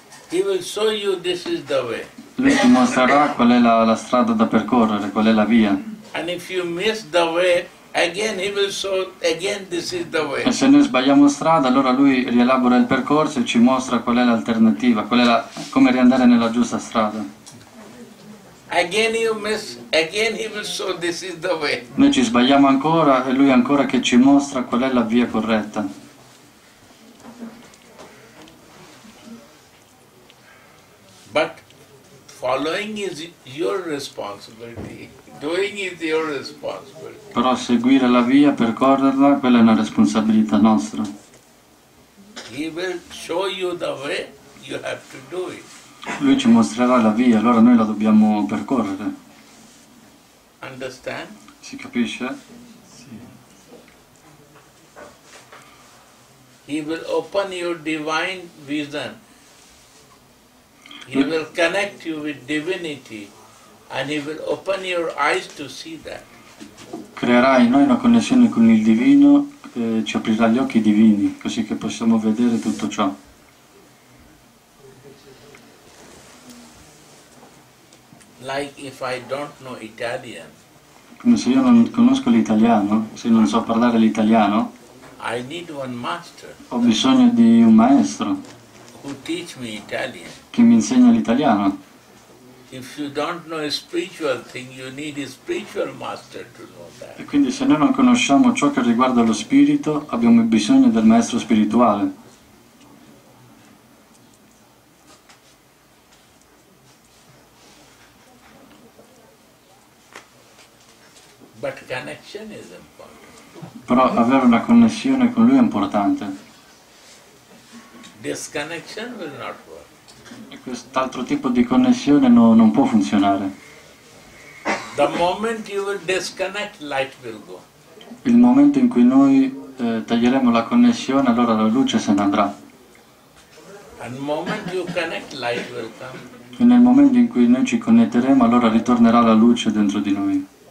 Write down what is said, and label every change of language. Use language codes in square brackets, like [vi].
[en] He will show you this is the way. [it] Lui ti mostrerà qual è la strada da percorrere, qual è la via. [en] And if you miss the way, again he will show, again this is the way. [it] E se noi sbagliamo strada, allora lui rielabora il percorso e ci mostra qual è l'alternativa, qual è come riandare nella giusta strada. [en] Again you miss, again he will show this is the way. [it] Noi ci sbagliamo ancora e lui ancora che ci mostra qual è la via corretta. [en] But following is your responsibility. Doing is your responsibility. [it] Però seguire la via, percorrerla, quella è una responsabilità nostra. [en] He will show you the way, you have to do it. [it] Lui ci mostrerà la via, allora noi la dobbiamo percorrere. [en] Understand? [it] Si capisce? Sì. [en] He will open your divine vision. He will connect you with divinity and he will open your eyes to see that. [it] Creerà in noi una connessione con il divino, ci aprirà gli occhi divini, così che possiamo vedere tutto ciò. [en] Like if I don't know Italian. [it] Come se io non conosco l'italiano, se non so parlare l'italiano. [en] I need one master. [it] Ho bisogno di un maestro. [en] Who teach me Italian. [it] Che mi insegna l'italiano. [en] If you don't know a spiritual thing, you need a spiritual master to know that. [it] E quindi se noi non conosciamo ciò che riguarda lo spirito, abbiamo bisogno del maestro spirituale. [en] But connection is important. [it] Però avere una connessione con lui è importante. [en] Disconnection will not work. [it] Quest'altro tipo di connessione non può funzionare. [en] The moment you will disconnect, light will go. [it] Il momento in cui noi taglieremo la connessione, allora la luce se ne andrà. [en] And moment you connect, light will come. [it] E nel momento in cui noi ci connetteremo, allora ritornerà la luce dentro di noi.